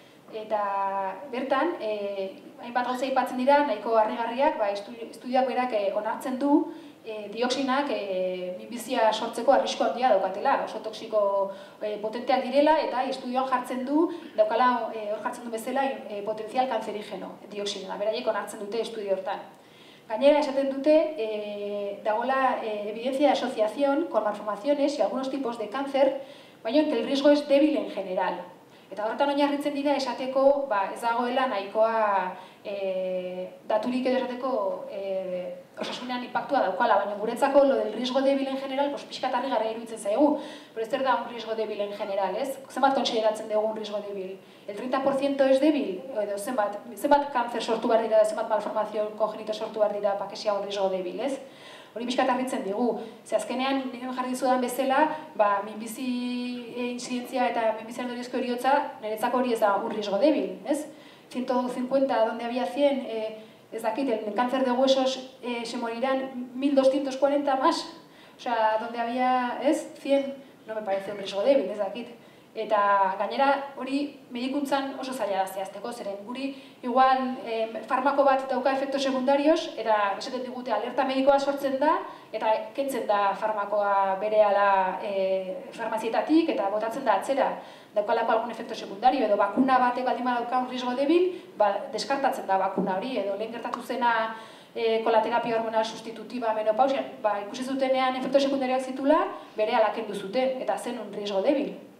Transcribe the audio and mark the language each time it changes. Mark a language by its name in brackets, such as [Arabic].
[Basque] Eta bertan, hainbat gauza aipatzen dira, nahiko harrigarriak, ba, estudioak berak onartzen du, dioxinak minbizia sortzeko arrisko handia daukatela, oso toksiko potenteak direla, eta estudioan jartzen du, daukala hor jartzen du bezala, potentzial kanzerigeno, dioxinak, beraiek onartzen dute estudio hortan. Gainera esaten dute, dagoela [Spanish] evidencia de asociación con malformaciones y algunos tipos de cáncer, [Basque] baina [Spanish] que el riesgo es débil en general. [Basque] Eta horretan oinarritzen dira esateko, ba, ez dagoela nahikoa daturik edo esateko osasunean impactua daukala, baina guretzako [Spanish] lo del riesgo débil en general, [Basque] pues pixkat harrigarri iruditzen zaigu, pero ez zer da [Spanish] un riesgo débil en general, [Basque] ez? Zenbat kontsideratzen dugu [Spanish] un riesgo débil? El 30% es débil, [Basque] edo zenbat kanzer sortu behar dira, zenbat malformazio kongenito sortu behar dira, [Spanish] pake sea un riesgo débil, [Basque] ez? Hori pixkat harritzen dugu. Ze azkenean, niren jarri dizudan bezala, ba, minbizi inzidentzia eta minbizian doriozko eriotza, niretzako hori ez da [Spanish] un riesgo débil, [Basque] ez? [Spanish] 150, donde había 100, [Basque] ez dakit, [Spanish] el cáncer de huesos se morirán 1240 más. Osea, donde había, ez, 100, no me parece un riesgo débil, [Basque] ez dakit. Eta gainera hori medikuntzan oso zaila da zehazteko, zeren guri igual farmako bat dauka efektu sekundarios, eta esaten digute alerta medikoa sortzen da, eta kentzen da farmakoa berehala farmazietatik, eta botatzen da atzera, daukalako algun efektu sekundario, edo bakuna batek baldin badauka [Spanish] un riesgo débil, [Basque] ba, deskartatzen da bakuna hori, edo lehen gertatu zena kolaterapia hormonal sustitutiba menopausian, ba, ikusi zutenean efektu sekundarioak zitula, berehala kendu zuten, eta zen un riesgo débil.